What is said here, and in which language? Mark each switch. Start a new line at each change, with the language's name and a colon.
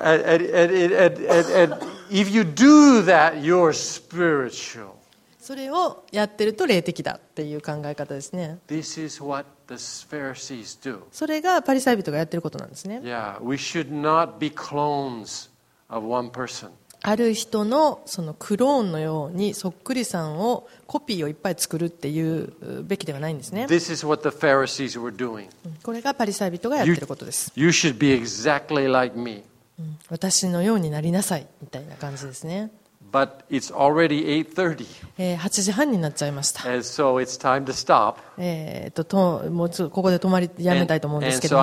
English: And if you do that, you're spiritual.
Japanese: それをやってると霊的だっていう考え方ですね。
English: This is what the Pharisees do.
Japanese: それがパリサイ人がやってることなんですね。
English: Yeah, we should not be clones of one person.
Japanese: ある人のそのクローンのようにそっくりさんをコピーをいっぱい作るっていうべきではないんですね。
English: This is what the Pharisees were doing.
Japanese: これがパリサイ人がやってることです。
English: You should be exactly like me.
Japanese: 私のようになりなさいみたいな感じですね。
English: But it's already 8:30.
Japanese: 8時半になっちゃいました。
English: And so it's time to stop.
Japanese: もうここで止まりやめたいと思うんですけども。